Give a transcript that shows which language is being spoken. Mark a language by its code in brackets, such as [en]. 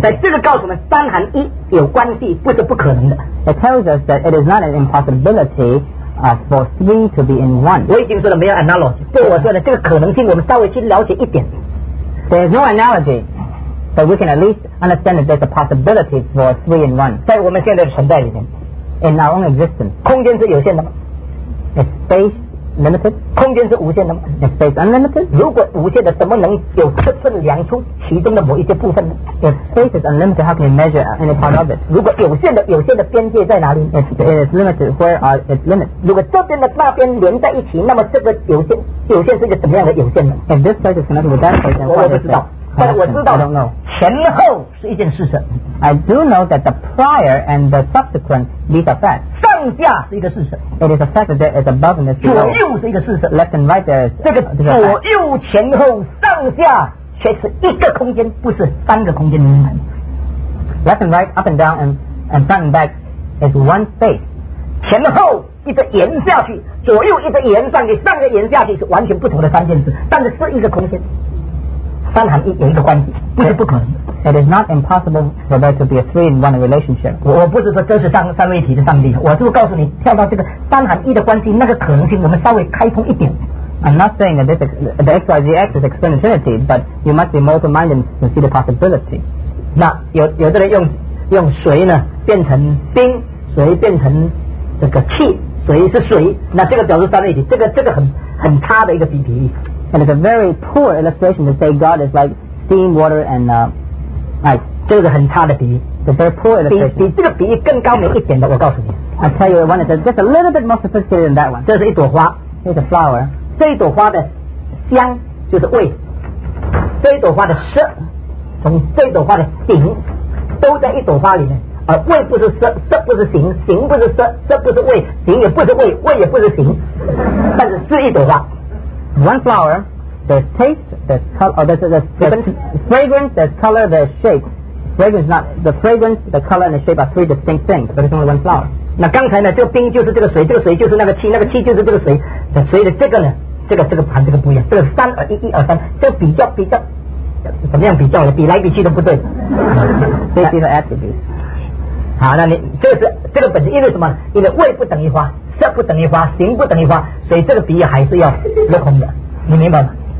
[zh] 在这个告诉我们三含一有关系，不是不可能的。 [en] It tells us that it is not an impossibility, for three to be in one. [zh] 我已经说了没有 analogy， 对我说的这个可能性我们稍微去了解一点。 [en] There's no analogy, but we can at least understand that there's a possibility for three in one. [zh] 在我们现在的存在里面 [en] in our own existence. [zh] 空间是有限的吗？ [en] Is space limited? [zh] 空间是无限的吗？ [en] Is space unlimited? [zh] 如果无限的，怎么能有测试量出其中的某一些部分呢？ [en] If space is unlimited, how can you measure any part of it? [zh] 如果有限的，有限的边界在哪里？ [en] It's limited. Where are its limits? [zh] 如果这边的那边连在一起，那么这个有限。有限是一个什么样的有限呢？ [en] And this side is connected with that side. [zh] 我不知道，但我知道 [en] I don't know. [zh] 前后是一件事实。 [en] I do know that the prior and the subsequent these are facts. [zh] 上下是一个事实。 [en] It is a fact that there is above and below. [zh] 左右是一个事实。 [en] Left and right there is. [zh] 这个左右前后上下却是一个空间，不是三个空间。 [en] Left and right, up and down, and front and back is one space. [zh] 前后一直延下去，左右一直延上去，上个延下去是完全不同的三件事，但是是一个空间，三含一有一个关系，不是不可能。 [en] It is not impossible for there to be a three-in-one relationship. [zh] 我不是说这是三位一体的上帝，我是告诉你跳到这个三含一的关系那个可能性，我们稍微开通一点。 [en] I'm not saying that the XYZX is external trinity, but you must be more open-minded to see the possibility. [zh] 那有的人用水呢变成冰，水变成这个气，水是水，那这个表示三位一体，这个很差的一个比喻。 [en] And it's a very poor illustration to say God is like steam, water, and ice. [zh] 这个很差的比喻。 [en] It's a very poor illustration. [zh] 比这个比喻更高明一点的，我告诉你。 [en] I'll tell you one that's just a little bit more sophisticated than that one. [zh] 这是一朵花。 [en] It's a flower. [zh] 这一朵花的香就是味，这一朵花的色，从这一朵花的形都在一朵花里面。味不是色，色不是形，形不是色，色不是味，形也不是味，味也不是形，但是是一朵花。 [en] One flower, there's taste, there's color, or there's fragrance, there's color, there's shape. Fragrance not the fragrance, the color and the shape are three distinct things, but it's only one flower. [zh] 那刚才呢，这个冰就是这个水，这个水就是那个气，那个气就是这个水，所以这个呢，这个盘这个不一样，这个三二一，一二三，这个、比较，怎么样比较呢？比来比去都不对。这是一个 attribute。好，那你这个本质，因为什么？因为味不等于花，色不等于花，形不等于花，所以这个比喻还是要落空的，你明白吗？